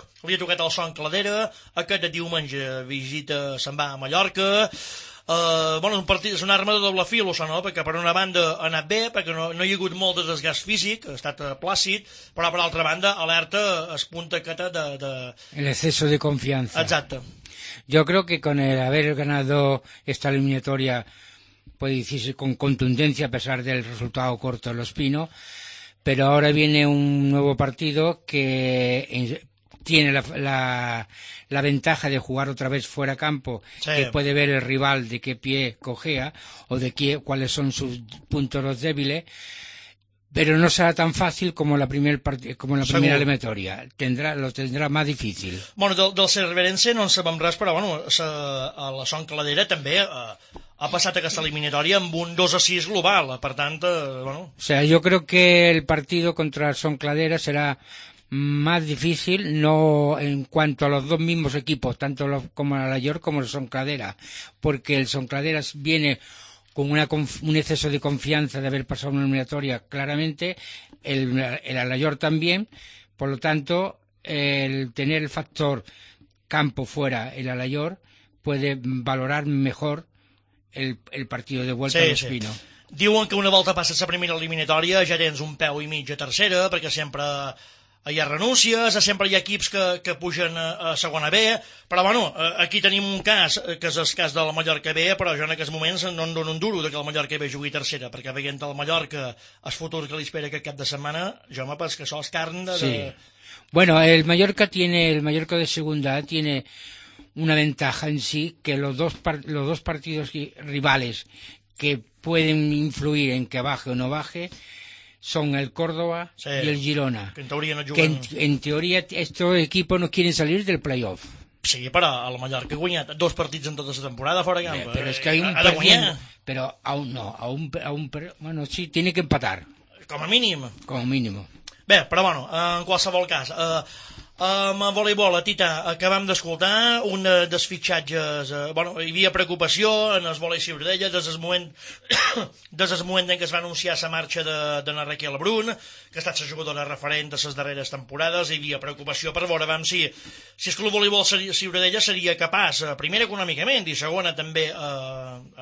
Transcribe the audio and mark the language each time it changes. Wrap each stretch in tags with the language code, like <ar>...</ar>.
<ca>Li ha tocat el son Cladera, aquest diumenge visita, se'n va a Mallorca. Bueno, és un arma de doble fil, o sigui, no? Perquè per una banda ha anat bé, perquè no hi ha hagut molt de desgast físic, ha estat plàcid, però per altra banda alerta es punta aquesta de... L'exceso de confiança. Exacte. Jo crec que</ca> <es>con el haber ganado esta eliminatoria, puede decirse con contundencia a pesar del resultado corto en Los Pinos, pero ahora viene un nuevo partido que... tiene la ventaja de jugar otra vez fuera campo, sí. Que puede ver el rival de qué pie cojea o de cuáles son sus puntos débiles, Pero no será tan fácil como la primera primera eliminatòria. Lo tendrá más difícil.</es> <ca>Bueno, del Cerverense no en sabem res, però bueno, la Son Caladera també ha passat aquesta eliminatòria amb un 2-6 global. Per tant, bueno...</ca> <es>O sea, yo creo que el partido contra Son Caladera será más difícil, no en cuanto a los dos mismos equipos, tanto como la Layor como el Son Caladera, porque el Son Caladera viene... con un exceso de confianza de haber pasado una eliminatoria, claramente, el Alayor también, por lo tanto, el tener el factor campo fuera, el Alayor, puede valorar mejor el partido de vuelta de Espino. Sí.</es> <ca>Diuen que una volta passes la primera eliminatòria ja tens un peu i mig a tercera, perquè sempre hi ha renúncies, sempre hi ha equips que pugen a segona B, però bueno, aquí tenim un cas, que és el cas de la Mallorca B, però jo en aquests moments no en dono un duro que la Mallorca B jugui tercera, perquè veient el Mallorca, el futur que li espera aquest cap de setmana, jo me penso que això és carn de... Sí.</ca> <es>Bueno, el Mallorca de segunda tiene una ventaja en sí, que los dos partidos rivales que pueden influir en que baje o no baje, son el Córdoba, sí, y el Girona. Que en teoría no juguen... Que en teoría estos equipos no quieren salir del playoff. Sí, pero el Mallorca</es> <ca>ha guanyat</ca> <es>dos partidos en toda esa temporada fuera de campo. Pero es que hay un perdiendo. Pero aún no. Aún, bueno, sí, tiene que empatar. Como mínimo. Como mínimo.</es> <ca>Bé, pero bueno, en qualsevol caso... amb el voleibol, a Tita, acabam d'escoltar un dels fitxatges, bueno, hi havia preocupació en el voleibol Ciutadella des del moment en què es va anunciar la marxa de la Raquel Brun, que ha estat la jugadora referent de les darreres temporades. Hi havia preocupació per veure si el club voleibol Ciutadella seria capaç, primer econòmicament i segona també a</ca>